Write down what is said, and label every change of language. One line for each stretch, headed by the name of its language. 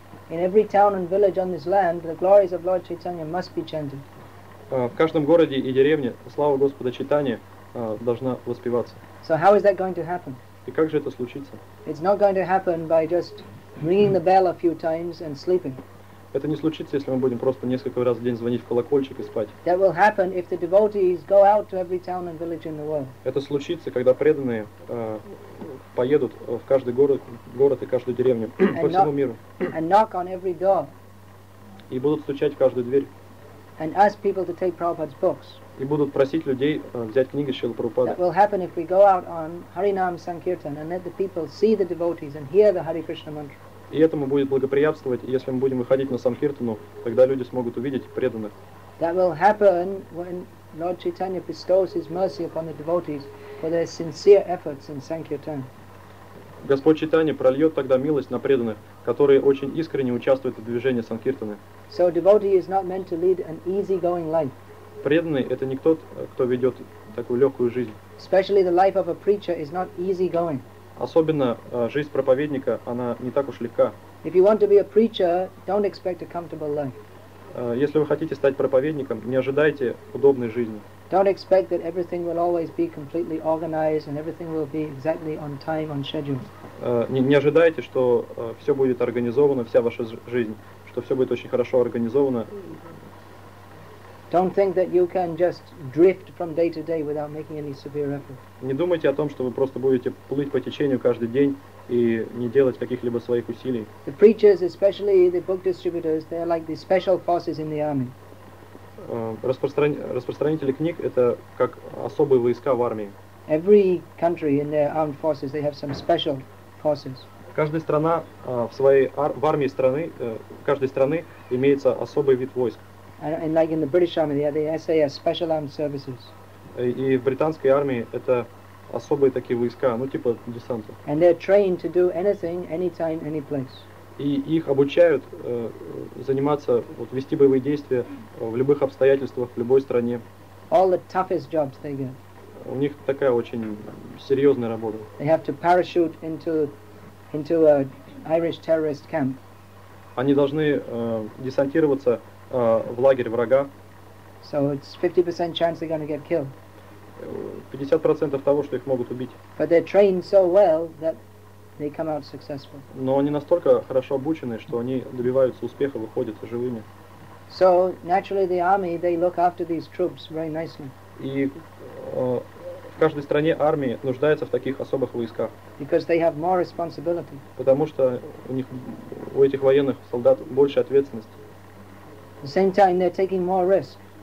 English: In every town and village on this land, the glories of Lord Chaitanya must be chanted.
Russian: В каждом городе и деревне слава Господа Чайтанья должна воспеваться.
English: So how is that going to happen?
Russian: И как же это случится?
English: It's not going to happen by just ringing the bell a few times and sleeping.
Russian: Это не случится, если мы будем просто несколько раз в день звонить в колокольчик и спать.
English: That will happen if the devotees go out to every town and village in the world.
Russian: Это случится, когда преданные поедут в каждый город и каждую деревню по всему миру.
English: And knock on every door.
Russian: И будут стучать в каждую дверь.
English: And ask people to take Prabhupada's books.
Russian: И будут просить людей взять книги Шрилы Прабхупады.
English: That will happen if we go out on Harinam Sankirtan and let the people see the devotees and hear the Hare Krishna mantra.
Russian: И этому будет благоприятствовать, если мы будем выходить на Санкиртану, тогда люди смогут увидеть преданных.
English: That will happen when Lord Chaitanya bestows his mercy upon the devotees for their sincere efforts in Sankirtan.
Russian: Господь Чайтанья прольет тогда милость на преданных, которые очень искренне участвуют в движении Санкиртаны.
English: So devotee is not meant to lead an easygoing life.
Russian: Преданный — это не тот, кто ведет такую легкую жизнь.
English: Especially the life of a preacher is not easygoing.
Russian: Особенно жизнь проповедника, она не так уж легка.
English: If you want to be a preacher, don't expect a comfortable life.
Russian: Если вы хотите стать проповедником, не ожидайте удобной жизни.
English: Don't expect that everything will always be completely organized and everything will be exactly on time, on schedule.
Russian: Не ожидайте, что все будет организовано, вся ваша жизнь, что все будет очень хорошо организовано.
English: Don't think that you can just drift from day to day without making any severe effort.
Russian: Не думайте о том, что вы просто будете плыть по течению каждый день и не делать каких-либо своих усилий.
English: The preachers, especially the book distributors, they are like the special forces in the army.
Russian: Распространители книг — это как особые войска в армии.
English: Every country in their armed forces, they have some special forces.
Russian: Каждая страна в своей армии страны, каждой страны имеется особый вид войск.
English: And like in the British Army, they have the SAS, Special Armed Services.
Russian: И в британской армии это особые такие войска, ну типа десанта.
English: And they're trained to do anything, anytime, any place.
Russian: И их обучают заниматься, вот, вести боевые действия в любых обстоятельствах, в любой стране.
English: All the toughest jobs they get.
Russian: У них такая очень серьезная работа.
English: They have to parachute into a Irish terrorist camp.
Russian: Они должны десантироваться в лагерь врага.
English: So it's 50% chance they're going to get killed.
Russian: 50% того, что их могут убить.
English: But they're trained so well that they come out successful.
Russian: Но они настолько хорошо обучены, что они добиваются успеха, выходят живыми.
English: So naturally the army, they look after these troops very nicely.
Russian: И в каждой стране армии нуждается в таких особых войсках.
English: Because they have more responsibility.
Russian: Потому что у этих военных солдат больше ответственности.
English: At the same time, they're taking more risk.